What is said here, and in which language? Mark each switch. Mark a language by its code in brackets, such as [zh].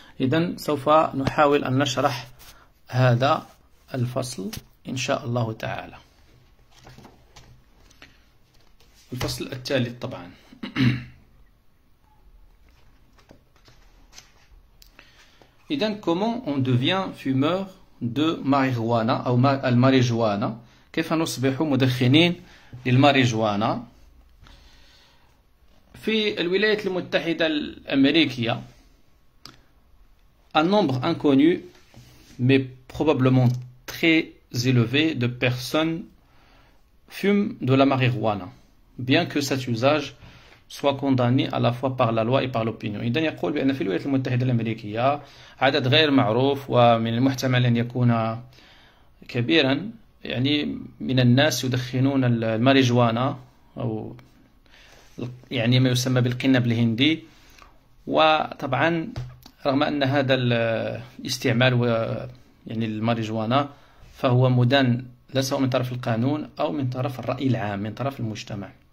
[ar] إذن سوف نحاول أن نشرح هذا الفصل إن شاء الله تعالى، الفصل الثالث طبعا. إذن [fr] comment on devient fumeur de marijuana [ar] أو الماريجوانا، كيف نصبح مدخنين للماريجوانا. في الولايات المتحدة الأمريكية [fr] un nombre inconnu mais probablement très élevé de personnes fument de la marijuana bien que cet usage soit condamné à la fois par la loi et par l'opinion. [ar] إذن يقول بأن في الولايات المتحدة الأمريكية عدد غير معروف ومن المحتمل أن يكون كبيرا يعني من الناس يدخنون الماريجوانا أو يعني ما يسمى بالقنب الهندي. وطبعا رغم أن هذا الاستعمال يعني الماريجوانا فهو مدان لا سواء من طرف القانون أو من طرف الرأي العام من طرف المجتمع.